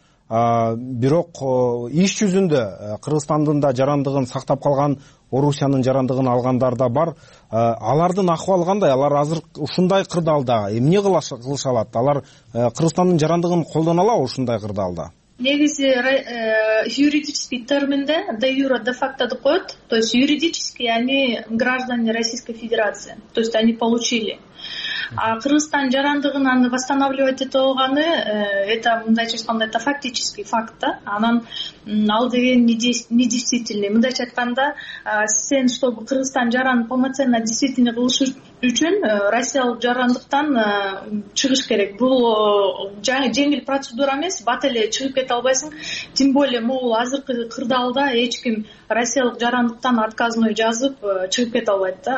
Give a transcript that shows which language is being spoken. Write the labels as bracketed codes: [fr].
[ky] Бирок иш жүзүндө Кыргызстандын да жарандыгын сактап калган Орусиянын жарандыгын алгандар да бар. Алардын акыбалы кандай? Алар азыр ушундай кырдаалда эмне кылыша алат? Алар Кыргызстандын жарандыгын колдоно алабы ушундай кырдаалда? Негизи [ru] юридический [ky] терминде [ru] де юра де факто [ky] деп коет, [ru] то есть юридически они граждане Российской Федерации, то есть они получили. [ky] А Кыргызстан жарандыгын аны [ru] восстанавливать [ky] эте алганы, это мындайча айтканда [ru] это фактический факт [ky] да. Анан ал деген недействительный. Мындайча айтканда сен [ru] чтобы [ky] Кыргызстан жаранын [ru] полноценно действительный [ky] кылышы үчүн россиялык жарандыктан чыгыш керек. Бул жеңил процедура эмес, бат эле чыгып кете албайсың. [ru] Тем более [ky] могул азыркы кырдаалда эч ким россиялык жарандыктан [ru] отказной [ky] жазып чыгып кете албайт да.